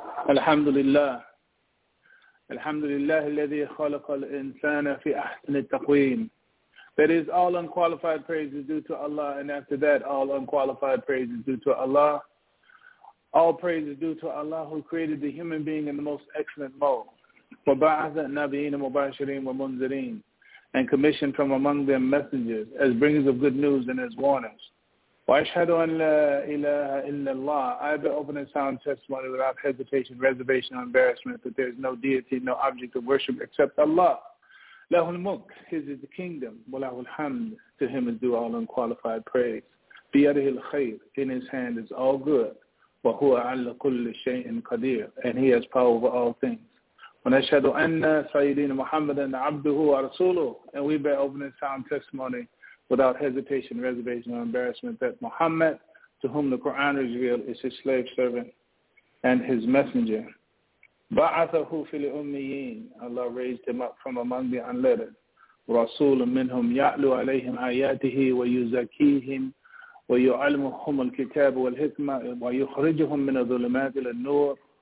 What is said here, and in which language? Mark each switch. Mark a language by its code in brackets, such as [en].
[ar] الحمد لله الحمد لله الذي خلق الإنسان في أحسن التقويم. [en] That is all unqualified praises due to Allah, and after that all unqualified praises due to Allah. All praises due to Allah who created the human being in the most excellent mode. [ar] وَبَعَثَ النَّبِيِّينَ مُبَاشِرِينَ وَمُنذِرِينَ, [en] and commissioned from among them messengers as bringers of good news and as warners. [ar] وَأَشْهَدُ أَنْ لَا إِلَهَ إِلَّا اللَّهِ, [en] I have the open and sound testimony without hesitation, reservation, or embarrassment that there is no deity, no object of worship except Allah. [ar] لَهُ الْمُلْكُ, [en] His is the kingdom. [ar] وَلَهُ الْحَمْدُ, [en] to Him is due all unqualified praise. [ar] بِيَدِهِ الْخَيْرُ, [en] in His hand is all good. [ar] وَهُوَ عَلَى كُلِّ شَيْءٍ قَدِيرٌ, [en] and He has power over all things. [ar] ونشهد أن سيدنا محمد عبده ورسوله, [en] and we bear open and sound testimony without hesitation, reservation, or embarrassment that Muhammad, to whom the Quran is revealed, is his slave servant and his messenger. [ar] بعثه في الأميين, [en] Allah raised him up from among the unlettered. [ar] رسول منهم يعلو عليهم آياته ويزكيهم ويعلمهم الكتاب والحكمة ويخرجهم من الظلمات إلى النور.